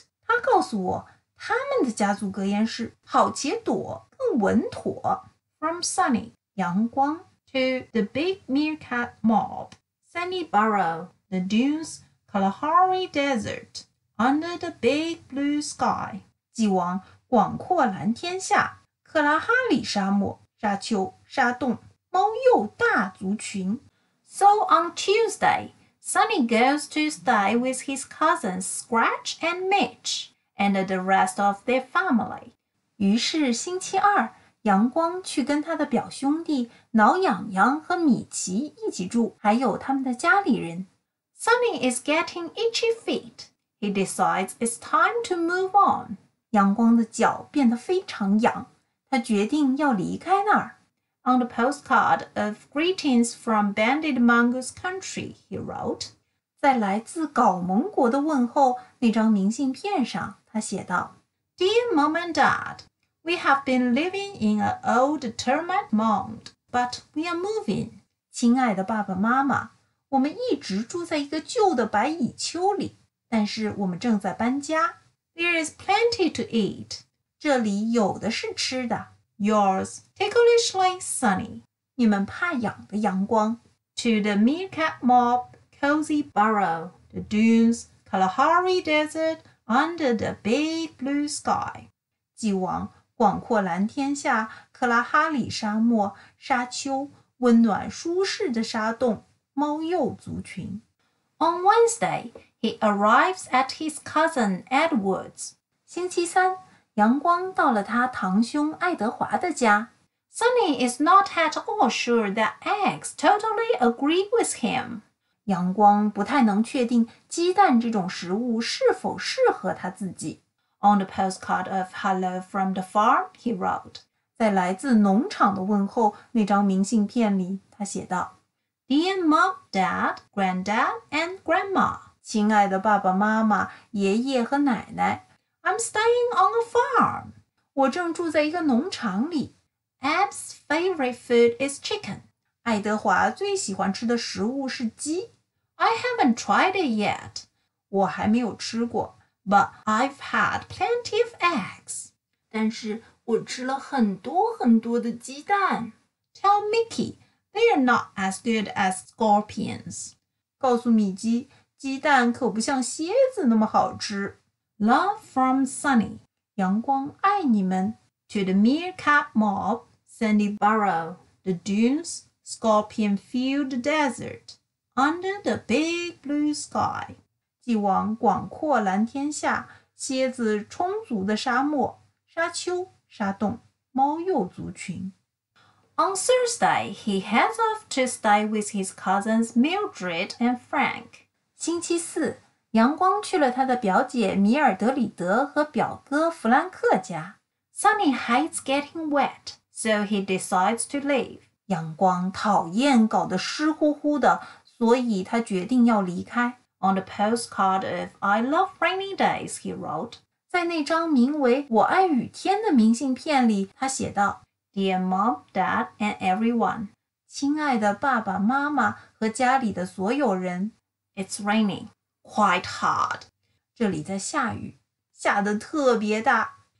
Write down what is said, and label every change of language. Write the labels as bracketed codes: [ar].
[zh] 他告诉我，他们的家族格言是跑且躲，更稳妥。 [en] From Sunny, [zh] 阳光 [en] to the big meerkat mob, Sunny Burrow, the dunes, Kalahari Desert. Under the big blue sky, [zh] 继往广阔蓝天下，克拉哈里沙漠，沙丘，沙洞，猫鼬大族群。 [en] So on Tuesday, Sunny goes to stay with his cousins Scratch and Mitch and the rest of their family. [zh] 于是星期二，阳光去跟他的表兄弟挠痒痒和米奇一起住，还有他们的家里人。 [en] Sunny is getting itchy feet. He decides it's time to move on. [zh] 阳光的脚变得非常痒，他决定要离开那儿。 [en] On the postcard of greetings from Banded Mongoose Country, he wrote, [zh] 在来自镐蒙国的问候那张明信片上，他写道 [en] Dear Mom and Dad, we have been living in an old termite mound, but we are moving. [zh] 亲爱的爸爸妈妈，我们一直住在一个旧的白蚁丘里。但是我们正在搬家。 [en] There is plenty to eat. [zh] 这里有的是吃的。 [en] Yours, ticklishly sunny. [zh] 你们怕痒的阳光。 [en] to the Meerkat Mob cozy burrow, the dunes, Kalahari Desert, under the big blue sky. [zh] 既往广阔蓝天下，克拉哈里沙漠，沙丘，温暖舒适的沙洞，猫鼬族群。 [en] On Wednesday, he arrives at his cousin Edward's. [zh] 星期三，阳光到了他堂兄爱德华的家。 [en] Sunny is not at all sure that eggs totally agree with him. [zh] 阳光不太能确定鸡蛋这种食物是否适合他自己。 [en] On the postcard of Hello from the Farm, he wrote. [zh] 在来自农场的问候那张明信片里，他写道 [en] Dear Mom, Dad, Granddad, and Grandma. [zh] 亲爱的爸爸妈妈，爷爷和奶奶。 [en] I'm staying on a farm. [zh] 我正住在一个农场里。 [en] Ab's favorite food is chicken. [zh] 爱德华最喜欢吃的食物是鸡。 [en] I haven't tried it yet. [zh] 我还没有吃过。 [en] But I've had plenty of eggs. [zh] 但是我吃了很多很多的鸡蛋。 [en] Tell Mickey, they are not as good as scorpions. [zh] 告诉米基，鸡蛋可不像蝎子那么好吃。 [en] Love from Sunny. [zh] 阳光爱你们。 [en] To the Meerkat Mob, Sandy Burrow, the dunes, scorpion filled desert, under the big blue sky. [zh] 寄往广阔蓝天下，蝎子充足的沙漠，沙丘，沙洞，猫鼬族群。 [en] On Thursday, he heads off to stay with his cousins Mildred and Frank. [zh] 星期四，阳光去了他的表姐米尔德里德和表哥弗兰克家。 [en] Sunny hates getting wet, so he decides to leave. [zh] 阳光讨厌搞得湿乎乎的，所以他决定要离开。 [en] On the postcard of I love rainy days, he wrote. [zh] 在那张名为我爱雨天的明信片里，他写道 [en] Dear Mom, Dad, and everyone. [zh] 亲爱的爸爸妈妈和家里的所有人。 [en] It's raining quite hard. [zh] 这里在下雨，下得特别大。